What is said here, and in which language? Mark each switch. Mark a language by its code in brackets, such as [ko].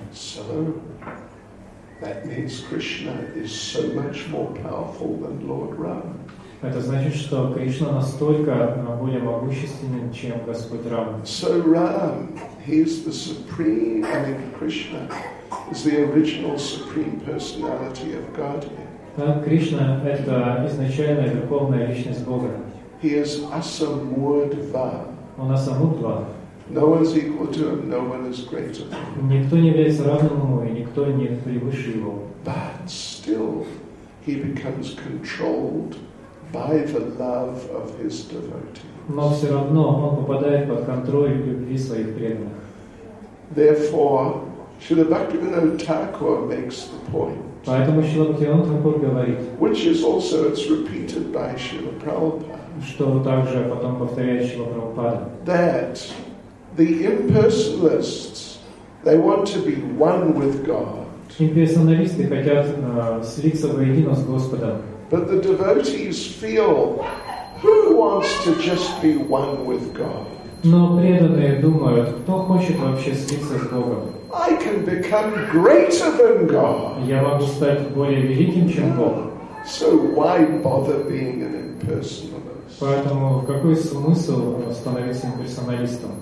[en] So that means Krishna is so much more powerful than Lord Ram. [ru] Это значит, что Кришна настолько более могущественен, чем Господь Рама. [en] So Ram, he is the supreme, I mean Krishna is the original supreme personality of Godhead. [ru] Так, Кришна – это изначальная верховная личность Бога. [en] He is Asamudva. [ru] Он Асамудва. [en] No one is equal to him, no one is greater than him. [ru] Никто не является равным ему, и никто не превыше его. [en] But still, he becomes controlled by the love of his devotees. [ru] Но все равно он попадает под контроль любви своих преданных. [en] Therefore, Śrīla Bhaktivinoda Thakura makes the point. [ru] Поэтому Śrīla Bhaktivinoda Thakura говорит, [en] which is also it's repeated by Śrīla Prabhupāda. [ru] Что также потом повторяет Śrīla Prabhupāda. [en] That the impersonalists they want to be one with God. [ru] Имперсоналисты хотят слиться воедино с Господом. [en] But the devotees feel, who wants to just be one with God? [ru] Но преданные думают, кто хочет вообще слиться с Богом? [en] I can become greater than God. [ru] Я могу стать более великим, чем Бог. [en] So why bother being an impersonalist? [ru] Поэтому какой смысл становиться имперсоналистом?